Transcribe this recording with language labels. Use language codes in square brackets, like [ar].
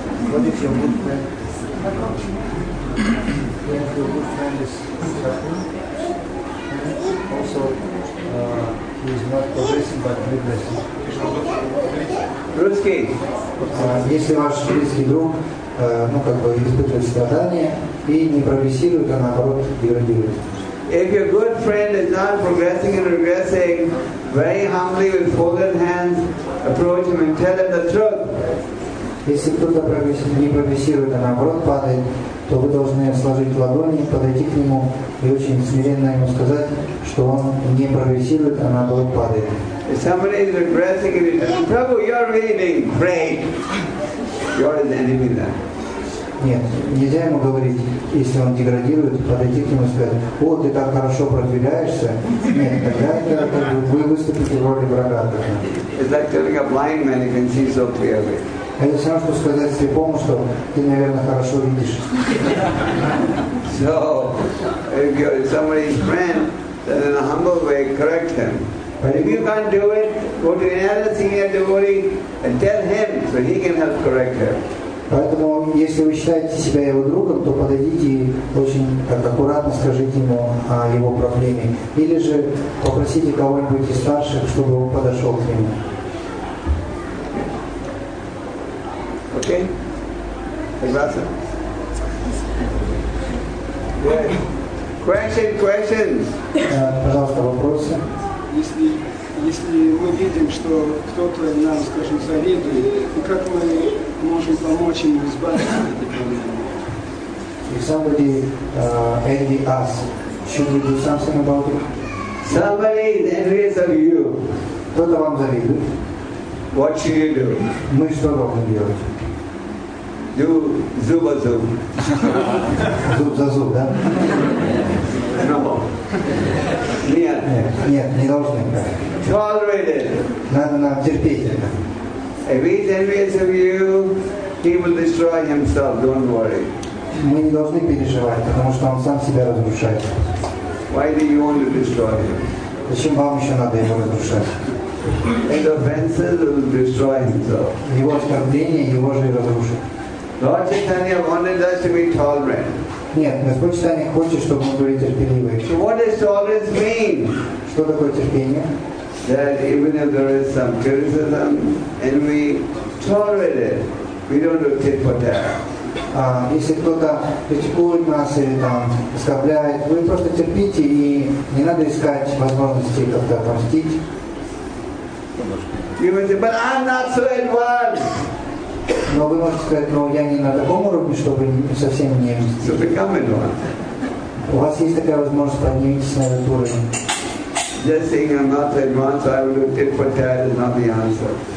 [en] What is your good friend? When your good friend is suffering, also he is not progressing but regressing. [ru] Русский. Если ваш близкий друг, испытывает страдания и не прогрессирует, а наоборот деградирует. [en] If your good friend is not progressing and regressing, very humbly with folded hands, approach him and tell him the truth. [ru] Если кто-то не прогрессирует, а наоборот падает, то вы должны сложить ладони, подойти к нему и очень смиренно ему сказать, что он не прогрессирует, а наоборот падает. [en] If somebody is regressing and he says, Prabhu, you're leaving, great. You're an enemy then. [ru] Нет, нельзя ему говорить, если он деградирует, подойти к нему и сказать, о, ты так хорошо продвигаешься. Нет, тогда это как бы вы выступите в роли врага. [en] It's like telling a blind man he can see so clearly. [ru] Это все равно, что сказать слепому, что ты, наверное, хорошо видишь. [en] So, if somebody's friend, then in a humble way, correct him. If you can't do it, go to another senior devotee and tell him, so he can help correct him. [ru] Поэтому, если вы считаете себя его другом, то подойдите и очень так, аккуратно скажите ему о его проблеме. Или же попросите кого-нибудь из старших, чтобы он подошел к нему. Окей? Согласен? [en] Question, questions! [ru] Пожалуйста, вопросы. Если мы видим, что кто-то нам, скажем, завидует, как мы можем помочь ему избавиться от этой проблемы? [en] If somebody envy us, should we do something about it? Somebody is envious of you. [ru] Кто-то вам завидует. [en] What should you do? [ru] Мы что должны делать? Do zuba zub. Зуб за зуб, да? [en] No. [ru] Нет, не должны. [en] Tolerate it. [ru] Надо терпеть это. [en] If he's envious of you, he will destroy himself, don't worry. [ru] Мы не должны переживать, потому что он сам себя разрушает. [en] Why do you want to destroy him? [ru] Зачем вам еще надо его разрушать? [en] His offenses will destroy himself. [ru] Его оскорбление его же и разрушит. [en] Lord Chaitanya wanted us to be tolerant. [ru] Нет, Господь Чайтанья хочет, чтобы мы были терпеливы. [en] So what does tolerance mean? [ru] Что такое терпение? [en] That even if there is some criticism and we tolerate it, we don't do tit for tat. [ru] Если кто-то критикует нас или там оскорбляет, вы просто терпите и не надо искать возможности как-то отомстить. [en] You would say, but I'm not so advanced. [ru] Но вы можете сказать, я не на таком уровне, чтобы совсем не мстить. У вас есть такая возможность, поднимитесь на этот уровень. [en] Just saying I'm not advanced, I will do tit for tat is not the answer.